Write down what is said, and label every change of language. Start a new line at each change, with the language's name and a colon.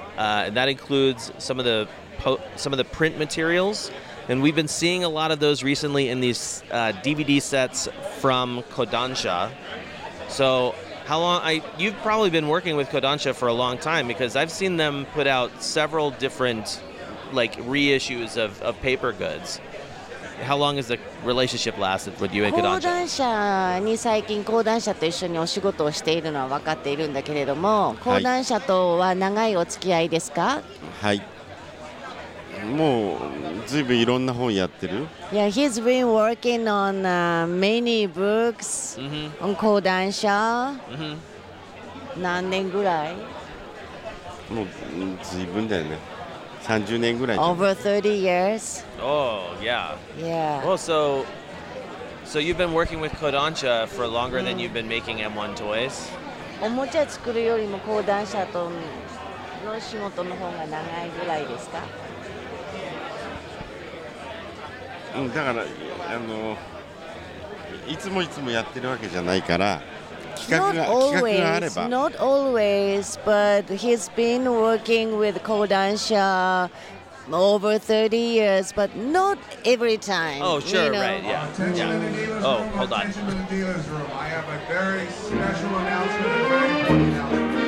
English: And that includes some of the some of the print materials, and we've been seeing a lot of those recently in these DVD sets from Kodansha. So, how long? You've probably been working with Kodansha for a long time because I've seen them put out several different, like reissues of paper goods. How long has the relationship lasted with you and Kodansha?
Japanese: 講談社に最近講談社と一緒にお仕事をしているのは分かっているんだけれども、講談社とは長いお付き合いですか？はい。もう随分いろんな本やってる。
English: Yeah, he's been working on many books on 講談社。
Japanese: 何年ぐらい？もう随分だよね。30年ぐらい。
English: Over 30 years. Oh, yeah. Yeah. Well, so you've been working with Kodansha for longer than you've been making M1 toys?
Japanese: おもちゃ作るよりも講談社との仕事の方が長いぐらいですか？うん、だから、あの、いつもいつもやってるわけじゃないから、
English: Not always, but he's been working with Kodansha over 30 years, but not every time. Oh, sure, you know? Right, yeah. Oh, hold on. Attention to the dealer's room. I have a very special announcement for you.